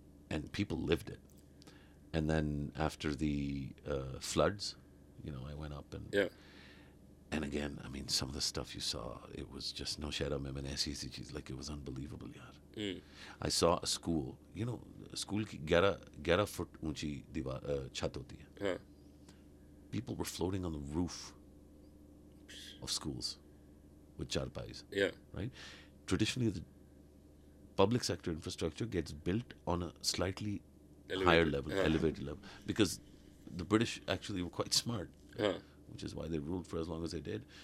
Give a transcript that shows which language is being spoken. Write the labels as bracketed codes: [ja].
[en] And people lived it. And then after the floods, you know, I went up and... Yeah. And again, I mean, some of the stuff you saw, it was just no shadow memenesi, like, it was unbelievable, yaar. I saw a school, you know... [ur] school کی 11 fit اونچی دیوار چھت ہوتی ہے۔ [en] People were floating on the roof of schools with charpais. Yeah. Right? Traditionally, the public sector infrastructure gets built on a slightly elevated level. Because the British actually were quite smart, which is why they ruled for as long as they did.